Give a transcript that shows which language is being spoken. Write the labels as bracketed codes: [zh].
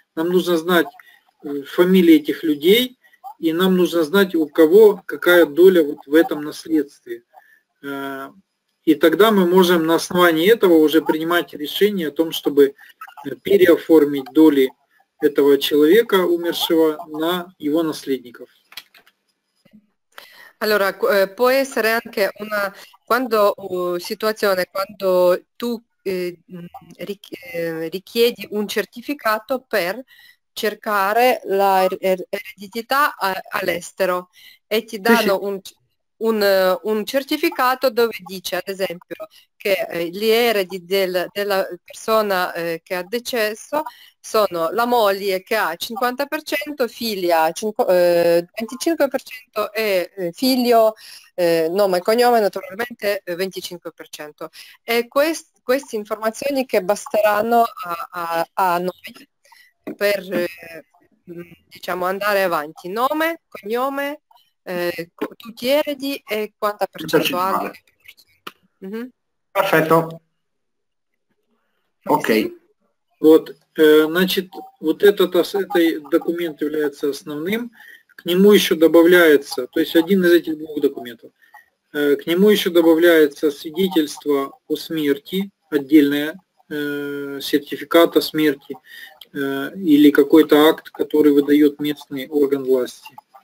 [ru] Нам нужно знать фамилии этих людей, и нам нужно знать, у кого какая доля вот в этом наследстве. И тогда мы можем на основании этого уже принимать решение о том, чтобы переоформить доли этого человека, умершего, на его наследников. [it] Allora, può essere anche una quando situazione quando tu richiedi un certificato per cercare la eredità all'estero e ti danno un certificato dove dice, ad esempio, che gli eredi della persona che ha decesso sono la moglie che ha 50%, figlia 25% e figlio, nome e cognome naturalmente 25%. E queste informazioni che basteranno a noi per diciamo andare avanti, nome, cognome, tutti gli eredi e quanta percentuale. Perfetto. Ok. [ru] Вот, значит, вот этот документ является основным. к нему еще добавляется, то есть один из этих двух документов, к нему еще добавляется свидетельство о смерти, отдельное, сертификат о смерти или какой-то акт, который выдает местный орган власти.